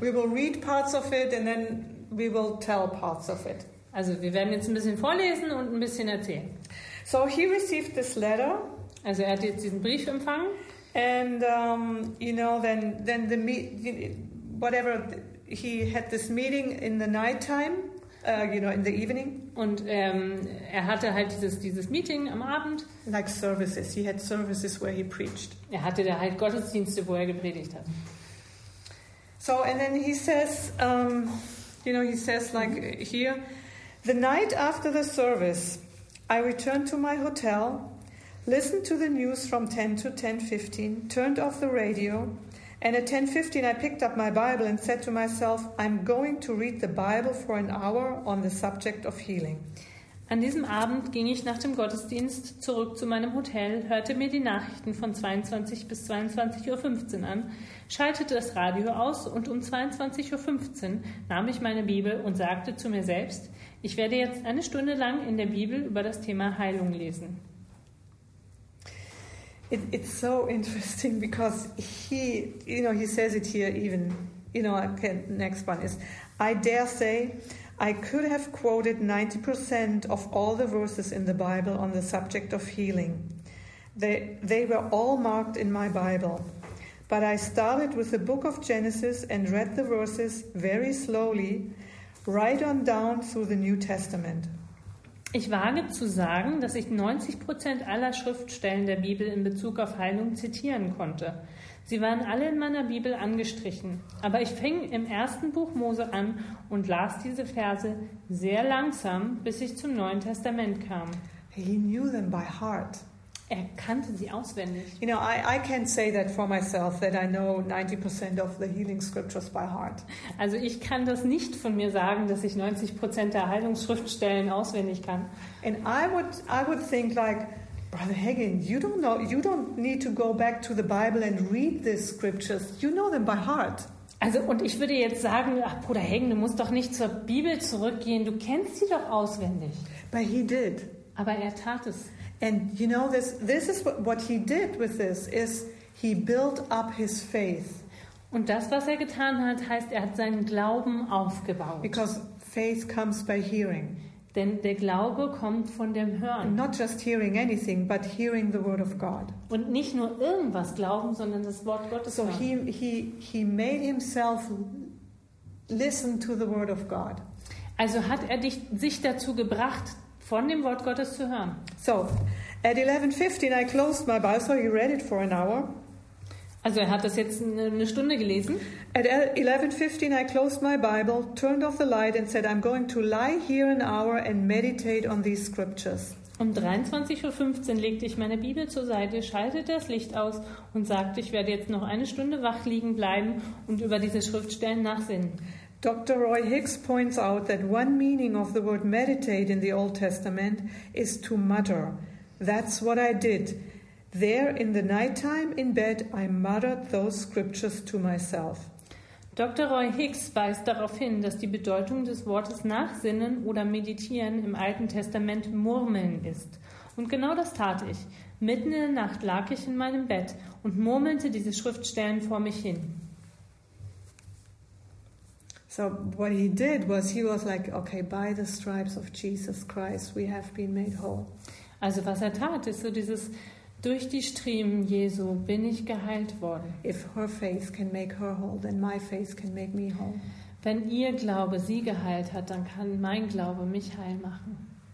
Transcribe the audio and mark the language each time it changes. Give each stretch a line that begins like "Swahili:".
English: We will read parts of it and then we will tell parts of it.
German: Also, wir werden jetzt ein bisschen vorlesen und ein bisschen erzählen.
English: So, he received this letter.
German: Also, er hat jetzt diesen Brief empfangen.
English: And you know, then the whatever. He had this meeting in the night time, you know, in the evening.
German: Und er hatte halt dieses Meeting am Abend.
English: Like services. He had services where he preached.
German: Er hatte da halt Gottesdienste, wo er gepredigt hat.
English: So, and then he says, you know, he says like here, the night after the service, I returned to my hotel, listened to the news from 10 to 10:15, turned off the radio, and at 10:15, I picked up my Bible and said to myself, I'm going to read the Bible for an hour on the subject of healing.
German: An diesem Abend ging ich nach dem Gottesdienst zurück zu meinem Hotel, hörte mir die Nachrichten von 22 bis 22:15 an, schaltete das Radio aus und um 22:15 nahm ich meine Bibel und sagte zu mir selbst, ich werde jetzt eine Stunde lang in der Bibel über das Thema Heilung lesen.
English: It's so interesting because he, you know, he says it here even, you know, next one is, I dare say, I could have quoted 90% of all the verses in the Bible on the subject of healing. They were all marked in my Bible. But I started with the book of Genesis and read the verses very slowly, right on down through the New Testament.
German: Ich wage zu sagen, dass ich 90% aller Schriftstellen der Bibel in Bezug auf Heilung zitieren konnte. Sie waren alle in meiner Bibel angestrichen. Aber ich fing im ersten Buch Mose an und las diese Verse sehr langsam, bis ich zum Neuen Testament kam.
English: He knew them by heart.
German: Er kannte sie auswendig.
English: You know, I can't say that for myself, that I know 90% of the healing scriptures by heart.
German: Also ich kann das nicht von mir sagen, dass ich 90% der Heilungsschriftstellen auswendig kann.
English: And I would think like, Brother Hagin, you don't need to go back to the Bible and read these scriptures. You know them by heart.
German: Also und ich würde jetzt sagen, ach Bruder Hagin, du musst doch nicht zur Bibel zurückgehen. Du kennst sie doch auswendig.
English: But he did.
German: Aber er tat es.
English: And you know this is what he did with this is he built up his faith.
German: Und das was er getan hat, heißt er hat seinen Glauben aufgebaut.
English: Because faith comes by hearing.
German: Denn der Glaube kommt von dem Hören.
English: And not just hearing anything but hearing the word of God.
German: Und nicht nur irgendwas glauben, sondern das Wort Gottes
English: hören. So he made himself listen to the word of God.
German: Also hat er sich dazu gebracht von dem Wort Gottes zu hören.
English: So, at 11:15 I closed my Bible, so he read it for an hour.
German: Also er hat das jetzt eine Stunde gelesen.
English: At 11:15 I closed my Bible, turned off the light and said, I'm going to lie here an hour and meditate on these scriptures.
German: Um 23:15 legte ich meine Bibel zur Seite, schaltete das Licht aus und sagte, ich werde jetzt noch eine Stunde wach liegen bleiben und über diese Schriftstellen nachsinnen.
English: Dr. Roy Hicks points out that one meaning of the word meditate in the Old Testament is to mutter. That's what I did. There in the night time in bed, I muttered those scriptures to myself. Dr.
German: Roy Hicks weist darauf hin, dass die Bedeutung des Wortes nachsinnen oder meditieren im Alten Testament murmeln ist. Und genau das tat ich. Mitten in der Nacht lag ich in meinem Bett und murmelte diese Schriftstellen vor mich hin.
English: So what he did was he was like, okay, by the stripes of Jesus Christ we have been made whole.
German: Also was er tat ist so dieses durch die Striemen Jesu bin ich geheilt worden.
English: If her faith can make her whole, then my faith can make me whole.
German: Wenn ihr Glaube sie geheilt hat, dann kann mein Glaube mich heil machen.